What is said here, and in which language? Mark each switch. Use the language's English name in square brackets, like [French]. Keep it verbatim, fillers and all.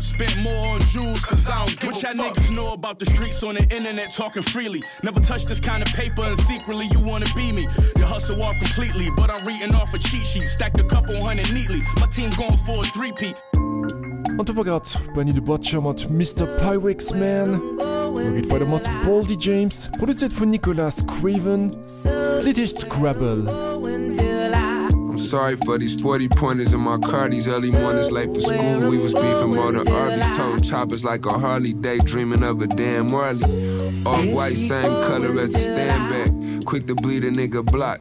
[English] Spent more on jewels cause I don't give a fuck. What y'all niggas know about the streets on the internet talking freely. Never touch this kind of paper and secretly you wanna be me. You hustle off completely, but I'm reading off a cheat sheet. Stacked a couple hundred neatly, my team going for a three-peat. [Luxembourgish] Und war grad Benny the Butcher mat Mister Pyrex Man. Da geht weiter mat Baldy James, produziert von Nicholas Craven. Lied ist Scrabble. [English] I'm sorry for these forty pointers in my car. These early mornings late for school. We was beefing more than Arby's. Toting choppers like a Harley. Daydreaming of a damn Marley. Off-white, same color as a stand back. Quick to bleed a nigga block.